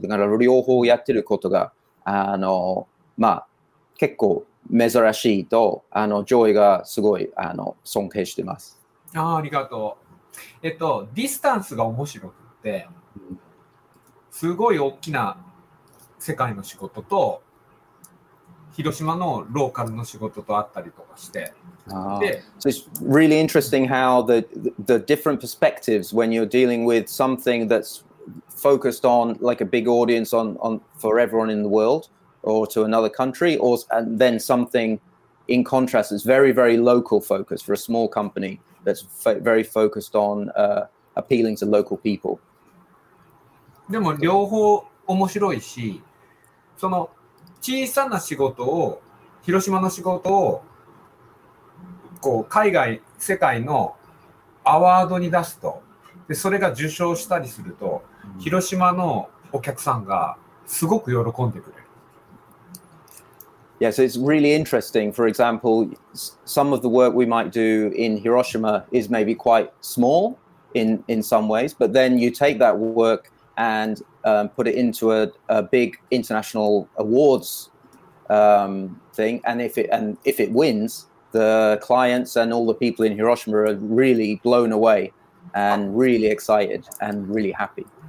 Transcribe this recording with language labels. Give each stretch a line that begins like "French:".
Japanese: だから、両方やってることが、まあ、結構珍しいと、ジョイがすごい、尊敬してます。ああ、ありがとう。ディスタンスが面白くて、すごい大きな、世界の仕事と広島のローカルの仕事とあったりとかして、
English: で、so、it's really interesting how the different perspectives when you're dealing with something that's focused on like a big audience on for everyone in the world or to another country or and then something in contrast that's very very local focus for a small company that's very focused on appealing to local people。
Japanese: でも両方面白いし。その小さな仕事を広島の仕事をこう海外世界のアワードに出すとでそれが受賞したりすると広島のお客さんがすごく喜んでくれる。
English: Yeah, so it's really interesting. For example, some of the work we might do in Hiroshima is maybe quite small in some ways, but then you take that work andput it into a big international awards thing, and if it wins, the clients and all the people in Hiroshima are really blown away and really excited and really happy.